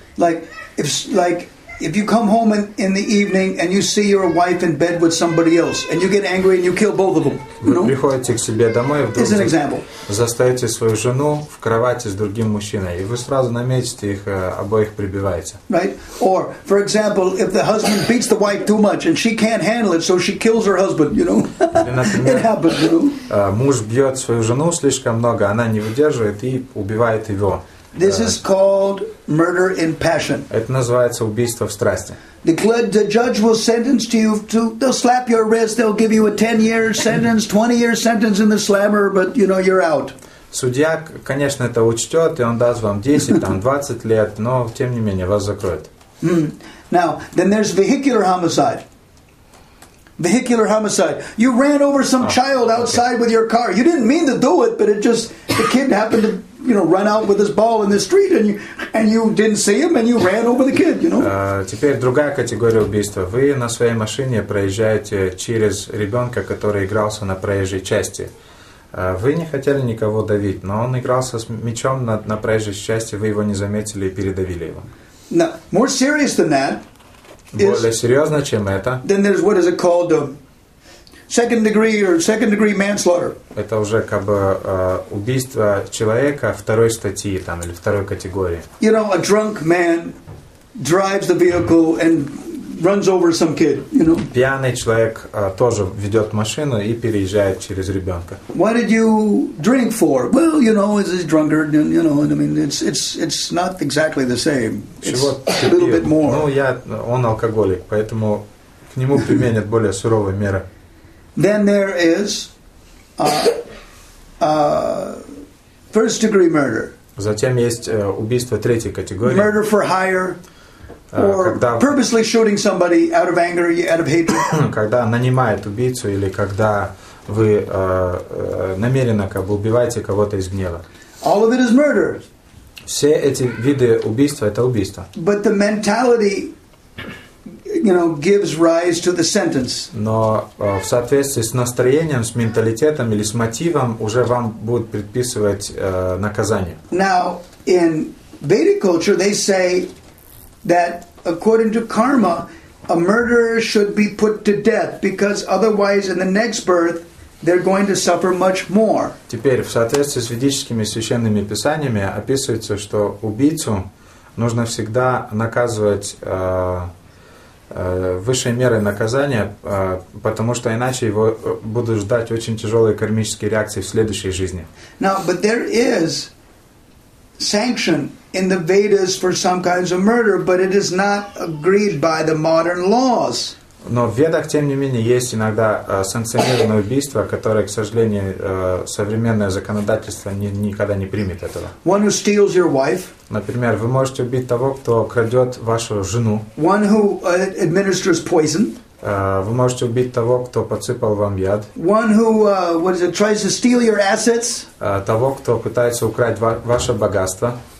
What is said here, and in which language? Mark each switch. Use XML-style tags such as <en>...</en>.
<en>Like if you come home in the evening and you see your wife in bed with somebody else and you get angry and you kill both of them.</en> <ru>Вы приходите к себе домой и вдруг заставите свою жену в кровати с другим мужчиной, и вы сразу наметите их обоих прибиваете.</ru> <en>Right? Or, for example, if the husband beats the wife too much and she can't handle it, so she kills her husband, you know? It happens, you know?</en> <ru>Муж бьет свою жену слишком много, она не выдерживает и убивает его.</ru> <en>This is called murder in passion.</en> <ru>Это называется убийство в страсти.</ru> <en>The judge will sentence to you to they'll slap your wrist, they'll give you a 10-year sentence, 20-year sentence in the slammer, but you know you're out.</en> <ru>Судья, конечно, это учтет, и он даст вам 10, там 20 лет, но тем не менее вас закроют.</ru> <en>Now, then there's vehicular homicide. Vehicular homicide. You ran over some child outside with your car. You didn't mean to do it, but it just the kid happened to, you know, run out with his ball in the street, and you didn't see him, and you ran over the kid. You know.</en> <ru>Теперь другая категория убийства. Вы на своей машине проезжаете через ребенка, который игрался на проезжей части. Вы не хотели никого давить, но он игрался с мячом на проезжей части. Вы его не заметили и передавили его.</ru> <en>Now, more serious than that.</en> <ru>Более серьезно, чем это.</ru> <en>Then there's what is it called, second degree manslaughter.</en> <ru>Это уже как бы убийство человека второй статьи там или второй категории.</ru> <en>You know, a drunk man drives the vehicle and runs over some kid. You know.</en> <ru>Пьяный человек тоже ведет машину и переезжает через ребенка.</ru> <en>What did you drink for? Well, you know, it's a drunkard. You know, I mean, it's not exactly the same. It's a little bit more.</en> <ru>Ну, он алкоголик, поэтому к нему применят более суровые меры.</ru> <en>Then there is first degree murder.</en> <ru>Затем есть убийство третьей категории.</ru> <en>Murder for hire. Or purposely shooting somebody out of anger, out of hatred.</en> <ru>Когда нанимает убийцу или когда вы намеренно как бы убиваете кого-то из гнева.</ru> <en>All of it is murder.</en> <ru>Все эти виды убийства это убийство.</ru> <en>But the mentality, you know, gives rise to the sentence.</en> <ru>Но в соответствии с настроением, с менталитетом или с мотивом уже вам будут предписывать наказание.</ru> <en>Now in Vedic culture they say that according to karma, a murderer should be put to death because otherwise in the next birth they're going to suffer much more.</en> <ru>Теперь в соответствии с ведическими священными писаниями описывается, что убийцу нужно всегда наказывать высшей мерой наказания, потому что иначе его будут ждать очень тяжелые кармические реакции в следующей жизни.</ru> <en>Now, but there is sanction in the Vedas for some kinds of murder, but it is not agreed by the modern laws.</en> <ru>Но в Ведах, тем не менее, есть иногда санкционированное убийство, которое, к сожалению, современное законодательство никогда не примет этого.</ru> <en>One who steals your wife.</en> <ru>Например, вы можете убить того, кто крадет вашу жену.</ru> <en>One who administers poison.</en> <ru>Вы можете убить того, кто подсыпал вам яд.</ru> <en>One who, what is it, tries to steal your assets.</en> <ru>Того, кто пытается украсть ваше богатство.</ru>